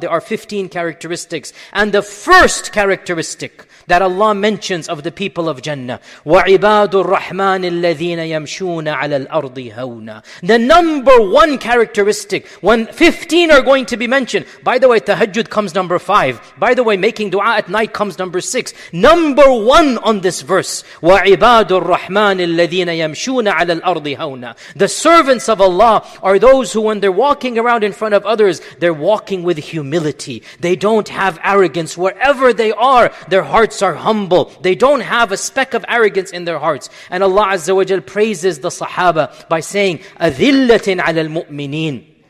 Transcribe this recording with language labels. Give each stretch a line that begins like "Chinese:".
English: There are 15 characteristics. And the first characteristic that Allah mentions of the people of Jannah,
Arabic: وَعِبَادُ الرَّحْمَانِ الَّذِينَ يَمْشُونَ عَلَى الْأَرْضِ هَوْنَا.
English: The number one characteristic, when 15 are going to be mentioned. By the way, tahajjud comes number 5. By the way, making dua at night comes number 6. Number one on this verse,
Arabic: وَعِبَادُ الرَّحْمَانِ الَّذِينَ يَمْشُونَ عَلَى الْأَرْضِ هَوْنَا.
English: The servants of Allah are those who, when they're walking around in front of others, they're walking with humility. They don't have arrogance. Wherever they are, their hearts are humble. They don't have a speck of arrogance in their hearts. And Allah Azza wa Jal praises the Sahaba by saying,
Arabic: أَذِلَّةٍ عَلَى الْمُؤْمِنِينَ.